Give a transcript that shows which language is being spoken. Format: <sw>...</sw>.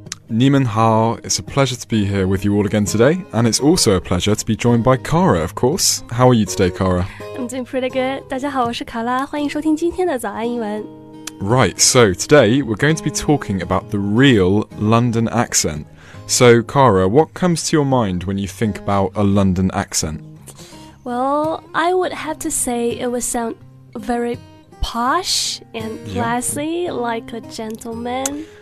<en>Niemen Hao, it's a pleasure to be here with you all again today, and it's also a pleasure to be joined by Kara, of course. How are you today, Kara? I'm doing pretty good.</en> <zh>大家好，我是卡拉，欢迎收听今天的早安英文。</zh> <en>Right, so today we're going to be talking about the real London accent. So, Kara, what comes to your mind when you think about a London accent? Well, I would have to say it would sound very posh and classy, like a gentleman.</en>